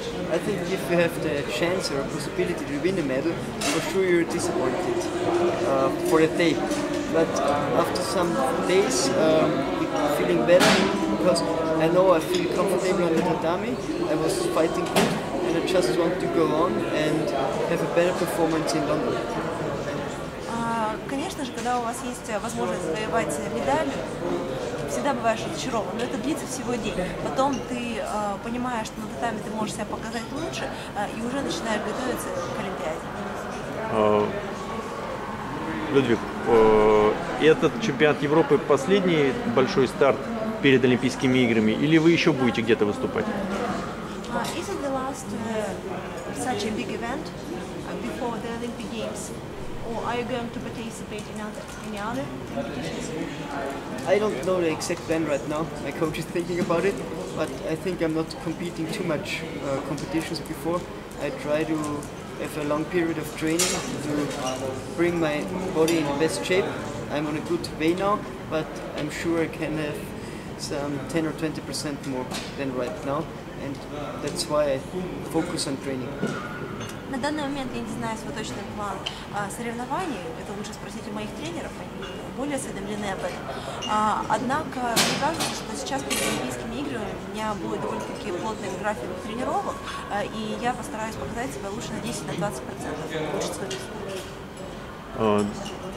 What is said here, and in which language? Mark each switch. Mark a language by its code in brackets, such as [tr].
[en] I think if you have the chance or possibility to win a medal, for sure you're disappointed for a day. But after some days, feeling better, because I know I feel comfortable on the tatami, I was fighting good, and I just want to go on and have a better performance in London. [ru] Конечно же, когда у вас есть возможность завоевать медаль, всегда бываешь разочарован, но это длится всего день. Потом ты понимаешь, что на татами ты можешь себя показать лучше, и уже начинаешь готовиться к Олимпиаде. Людвиг, этот чемпионат Европы последний большой старт перед Олимпийскими играми, или вы еще будете где-то выступать? [en] Is it the last such a big event before the Olympic Games? Or are you going to participate in any other competitions? I don't know the exact plan right now. My coach is thinking about it, but I think I'm not competing too much competitions before. I try to have a long period of training to bring my body in best shape. I'm on a good way now, but I'm sure I can have some 10 or 20% more than right now, and that's why I focus on training. [ru] На данный момент я не знаю свой точный план соревнований. Это лучше спросить у моих тренеров, они более осведомлены об этом. Однако мне кажется, что сейчас перед Олимпийскими играми у меня будет довольно-таки плотный график тренировок, и я постараюсь показать себя лучше на 10-20%, лучше свой результат.